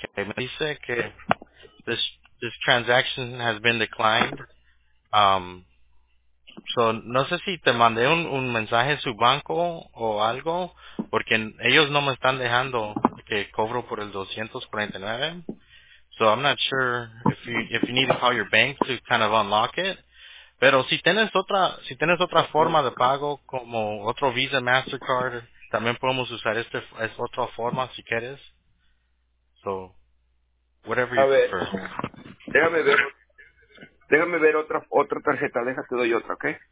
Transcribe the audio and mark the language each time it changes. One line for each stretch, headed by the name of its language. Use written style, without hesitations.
Spanish: Me dice que
English: this transaction has been declined.
Spanish: So, no sé si te mandé un mensaje a su banco o algo, porque ellos no me están dejando que cobro por el 249.
English: So, I'm not sure if you need to call your bank to kind of unlock it.
Spanish: Pero si tienes otra forma de pago, como otro Visa, Mastercard, también podemos usar esta otra forma si quieres.
English: So, whatever you prefer.
Spanish: Déjame ver. Déjame ver otra tarjeta. Deja, te doy otra, ¿ok?